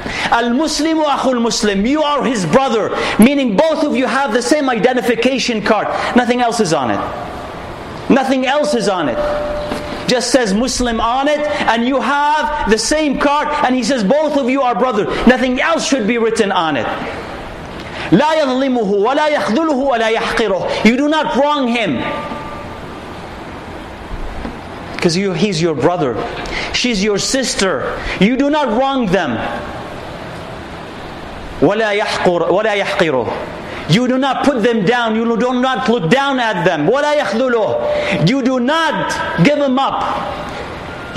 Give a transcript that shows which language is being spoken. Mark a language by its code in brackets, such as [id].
[ar] Al-Muslimu Akhul Muslim. [en] You are his brother. Meaning both of you have the same identification card. Nothing else is on it. Nothing else is on it. Just says Muslim on it. And you have the same card. And he says both of you are brother. Nothing else should be written on it. [ar] لا يظلمه ولا يخذله ولا يحقره. [en] You do not wrong him. Because he's your brother. She's your sister. You do not wrong them. [ar] وَلَا يَحْقِرُ. [en] You do not put them down. You do not look down at them. [ar] وَلَا يَخْذُلُ. [en] You do not give them up.